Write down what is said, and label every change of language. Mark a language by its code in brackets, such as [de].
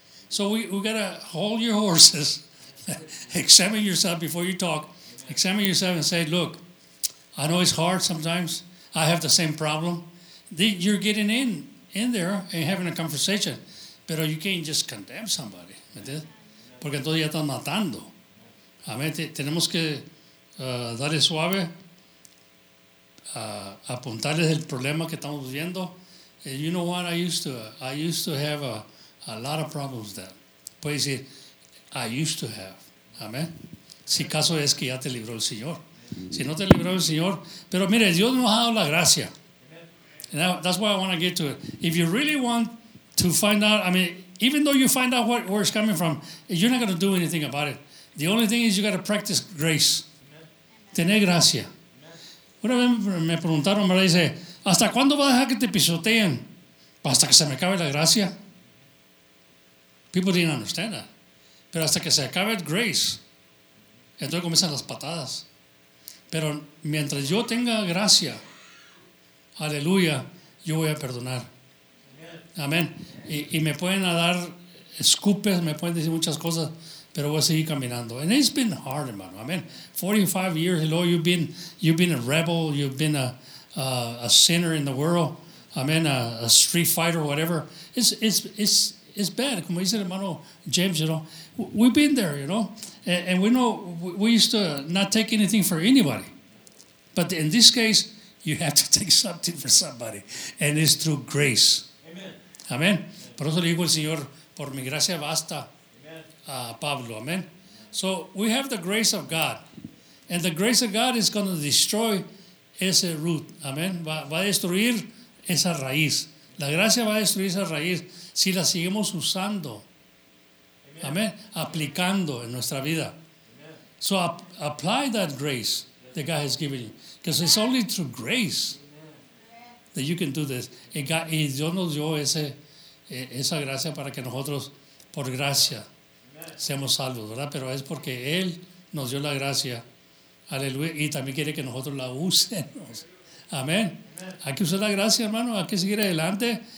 [en] So we got to hold your horses, examine yourself before you talk, examine yourself and say, look, I know it's hard sometimes. I have the same problem. You're getting in there and having a conversation, [es] pero [en] you can't just condemn somebody, [es] ¿entendés? Porque entonces ya están matando. Amén. Tenemos que darle suave, apuntarles el problema que estamos viendo. [en] And you know what I used to have a lot of problems then. [es] Puede decir, [en] I used to have. [es] Amén. Si caso es que ya te libró el Señor. Si no te libró el Señor. Pero mire, Dios nos ha dado la gracia. [en] And that's why I want to get to it. If you really want to find out, I mean, even though you find out where it's coming from, you're not going to do anything about it. The only thing is you got to practice grace. [es] Tener gracia. Una vez me preguntaron, ¿verdad? Dice, ¿hasta cuándo vas a dejar que te pisoteen? Hasta que se me acabe la gracia. [en] People didn't understand that. [es] Pero hasta que se acabe el grace, entonces comienzan las patadas. Pero mientras yo tenga gracia, aleluya, yo voy a perdonar. Amén. Y me pueden dar escupes, me pueden decir muchas cosas, pero voy a seguir caminando. [en] And it's been hard, hermano. Amén. 45 years, hello, you've been a rebel, you've been a sinner in the world. Amén. A street fighter, whatever. It's bad, [es] como dice el hermano [en] James, you know. We've been there, you know. And we know we used to not take anything for anybody. But in this case, you have to take something for somebody. And it's through grace. Amen. Amen. [es] Por eso le digo al Señor, por mi gracia basta a Pablo. [en] Amen. So we have the grace of God. And the grace of God is going to destroy ese root. Amen. [es] Va a destruir esa raíz. La gracia va a destruir esa raíz si la seguimos usando. Amén. Aplicando en nuestra vida. [en] Amen. So apply that grace that God has given you. Because it's only through grace that you can do this. [es] Y Dios nos dio esa gracia para que nosotros, por gracia, seamos salvos, ¿verdad? Pero es porque Él nos dio la gracia. Aleluya. Y también quiere que nosotros la usemos. Amén. Hay que usar la gracia, hermano. Hay que seguir adelante.